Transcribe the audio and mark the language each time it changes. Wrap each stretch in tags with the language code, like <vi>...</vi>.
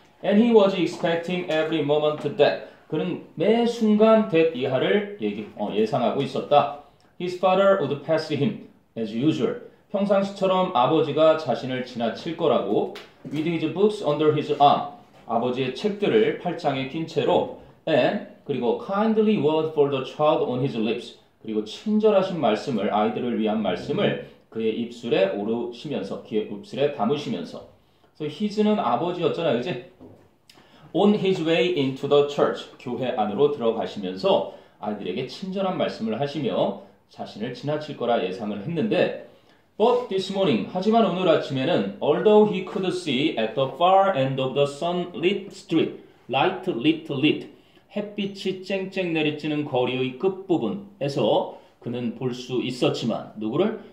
<en>And he was expecting every moment that.</en> <ko>그는 매 순간 that 이하를 예상하고 있었다.</ko> <en>His father would pass him as usual.</en> <ko>평상시처럼 아버지가 자신을 지나칠 거라고.</ko> <en>With his books under his arm.</en> <ko>아버지의 책들을 팔짱에 낀 채로.</ko> <en>And 그리고 kindly word for the child on his lips.</en> <ko>그리고 친절하신 말씀을, 아이들을 위한 말씀을 그의 입술에 오르시면서, 그의 입술에 담으시면서.</ko> <en>So his는</en> <ko>아버지였잖아, 그치?</ko> <en>On his way into the church.</en> <ko>교회 안으로 들어가시면서 아이들에게 친절한 말씀을 하시며 자신을 지나칠 거라 예상을 했는데,</ko> <en>but this morning,</en> <ko>하지만 오늘 아침에는,</ko> <en>although he could see at the far end of the sunlit street, light, lit, lit,</en> <ko>햇빛이 쨍쨍 내리쬐는 거리의 끝부분에서 그는 볼 수 있었지만, 누구를?</ko>